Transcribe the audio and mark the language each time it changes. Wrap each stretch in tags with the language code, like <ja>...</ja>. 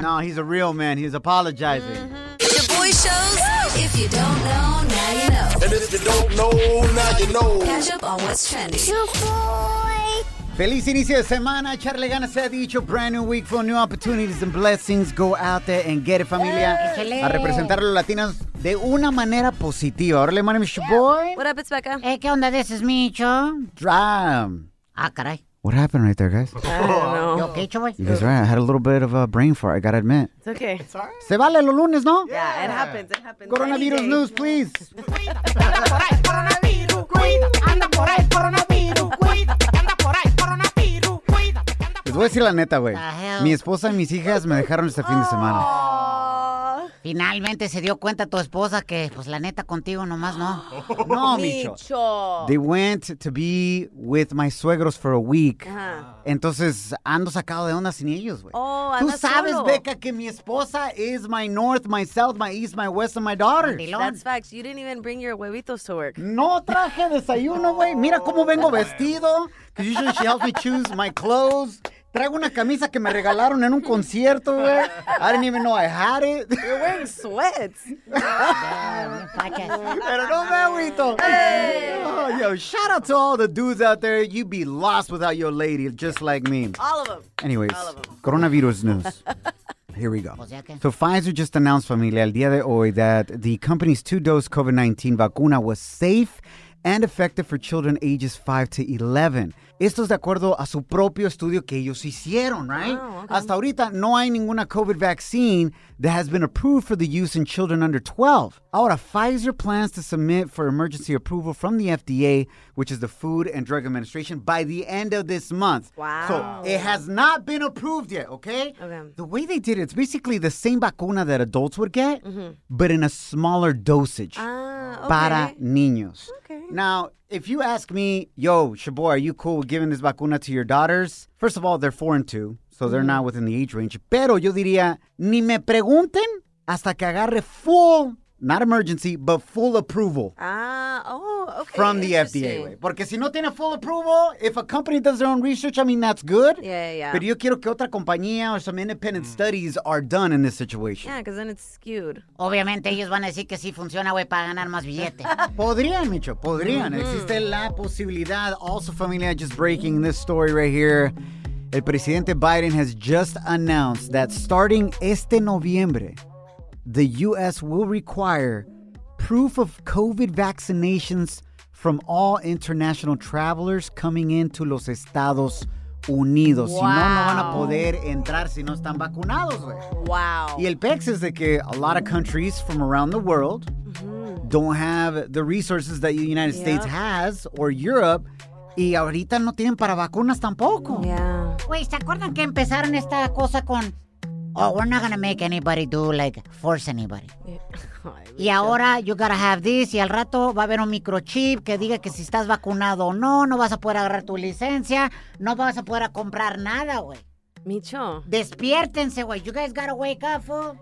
<en>No, he's a real man. He's apologizing. Mm-hmm. Your boy shows. If you don't know, now you know. And if you don't know, now you know. Catch up on what's trending. Your boy.</en> <es>Feliz inicio de semana. Echarle ganas, ha dicho.</es> <en>Brand new week full new opportunities and blessings. Go out there and get it, familia. Yeah.</en> <es>A representar a los latinos de una manera positiva.</es> <en>Órale, my name is your boy. What up, it's Becca. Hey,</en> <es>¿qué onda?</es> <en>This is Micho. Drum.</en> <es>Ah, caray.</es> <en>What happened right there, guys? I don't know. You okay, Choy? You guys right. I had a little bit of a brain fart, I gotta admit. It's okay. It's all right.</en> <es>Se vale los lunes, ¿no?</es> <en>Yeah, it happens. It happens. Coronavirus news, please.</en> <es>Anda por ahí, coronavirus. Cuida. Anda por ahí, coronavirus. Cuida. Anda por ahí, coronavirus. Cuida. Les voy a decir la neta, güey. Mi esposa y mis hijas me dejaron este fin de semana. Finalmente se dio cuenta tu esposa que, pues, la neta, contigo nomás, ¿no? No, Micho.</es> <en>They went to be with my suegros for a week. Uh-huh.</en> <es>Entonces, ando sacado de onda sin ellos, güey. Oh, tú sabes, solo.</es> <en>Becca,</en> <es>que mi esposa</es> <en>is my north, my south, my east, my west, and my daughter. That's facts. You didn't even bring your huevitos to work.</en> <es>No traje desayuno, güey. Mira cómo vengo vestido.</es> <en>Because usually she helps me choose my clothes.</en> <es>Traigo una camisa que me regalaron en un concierto, güey.</es> <en>I didn't even know I had it. You're wearing sweats.</en> <es>Pero no me agüito.</es> <en>Hey. Oh, yo, shout out to all the dudes out there. You'd be lost without your lady, just like me. All of them. Anyways, coronavirus news. Here we go. So Pfizer just announced, familia,</en> <es>el día de hoy,</es> <en>that the company's two-dose COVID-19 vacuna was safe and effective for children ages 5 to 11.</en> <es>Esto es de acuerdo a su propio estudio que ellos hicieron, right?</es> <en>Oh, okay.</en> <es>Hasta ahorita no hay ninguna</es> <en>COVID vaccine that has been approved for the use in children under 12. Ahora, Pfizer plans to submit for emergency approval from the FDA, which is the Food and Drug Administration, by the end of this month. Wow. So it has not been approved yet, okay? Okay. The way they did it, it's basically the same vacuna that adults would get, mm-hmm. but in a smaller dosage. Okay.</en> <es>Para niños.</es> <en>Okay. Now, if you ask me, yo, Shaboy, are you cool with giving this vacuna to your daughters? First of all, they're 4 and 2, so they're not within the age range.</en> <es>Pero yo diría, ni me pregunten hasta que agarre</es> <en>full, not emergency, but full approval. Okay. From the FDA.</en> <es>Porque si no tiene</es> <en>full approval, if a company does their own research, I mean, that's good. Yeah.</en> <es>Pero yo quiero que otra compañía</es> <en>or some independent studies are done in this situation. Yeah, because then it's skewed.</en> <es>Obviamente ellos van a decir que sí funciona, güey, para ganar más billete. Podrían, Micho, podrían. Mm-hmm. Existe la posibilidad.</es> <en>Also, familia, just breaking this story right here. El presidente Biden has just announced that starting</en> <es>este noviembre,</es> <en>the U.S. will require proof of COVID vaccinations from all international travelers coming into los Estados Unidos. Wow.</en> <es>Si no, no van a poder entrar si no están vacunados, güey.</es> <en>Wow.</en> <es>Y el pex es de que</es> <en>a lot of countries from around the world don't have the resources that the United States has or Europe.</en> <es>Y ahorita no tienen para vacunas tampoco.</es> <en>Yeah.</en> <es>Güey, ¿se acuerdan que empezaron esta cosa con...</es> <en>Oh, we're not going to make anybody do, like, force anybody.</en> <es>Y ahora,</es> <en>you got to have this,</en> <es>y al rato va a haber un microchip que diga que si estás vacunado o no, no vas a poder agarrar tu licencia, no vas a poder comprar nada, güey. Micho. Despiértense, güey.</es> <en>You guys got to wake up, fool.</en>